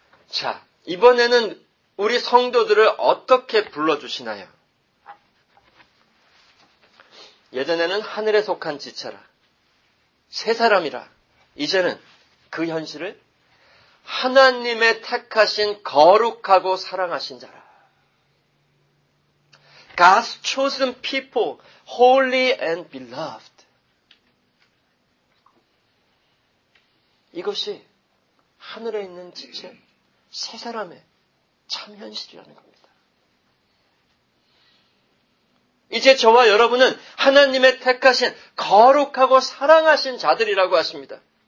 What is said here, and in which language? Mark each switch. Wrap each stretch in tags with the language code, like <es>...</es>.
<ko>자, 이번에는 우리 성도들을 어떻게 불러주시나요? 예전에는 하늘에 속한 지체라, 새 사람이라, 이제는 그 현실을 하나님의 택하신 거룩하고 사랑하신 자라.</ko> <en>God's chosen people, holy and beloved.</en> <ko>이것이 하늘에 있는 지체, 새 사람의 참 현실이라는 겁니다. 이제 저와 여러분은 하나님의 택하신 거룩하고 사랑하신 자들이라고 하십니다.</ko>